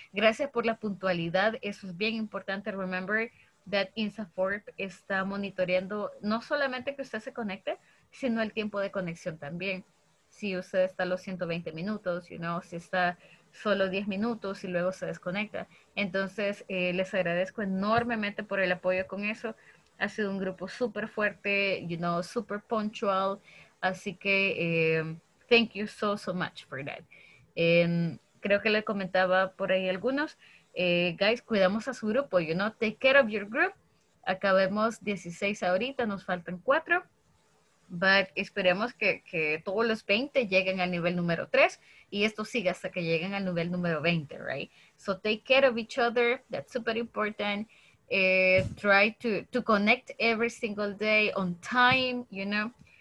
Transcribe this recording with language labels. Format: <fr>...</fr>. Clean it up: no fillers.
<es>Gracias por la puntualidad. Eso es bien importante.</es> <en>Remember that</en> <es>INSAFORP está monitoreando no solamente que usted se conecte, sino el tiempo de conexión también. Si usted está a los 120 minutos, you know, si está solo 10 minutos y luego se desconecta. Entonces, les agradezco enormemente por el apoyo con eso. Ha sido un grupo súper fuerte, you know, súper punctual. Así que,</es> <en>thank you so, so much for that.</en> <es>Creo que le comentaba por ahí algunos. Guys, cuidamos a su grupo, you know.</es> <en>Take care of your group.</en> <es>Acabemos 16 ahorita, nos faltan 4. But esperemos que todos los 20 lleguen al nivel número 3. Y esto siga hasta que lleguen al nivel número 20, right?</es> <en>So take care of each other. That's super important. Try to connect every single day on time, you know.</en>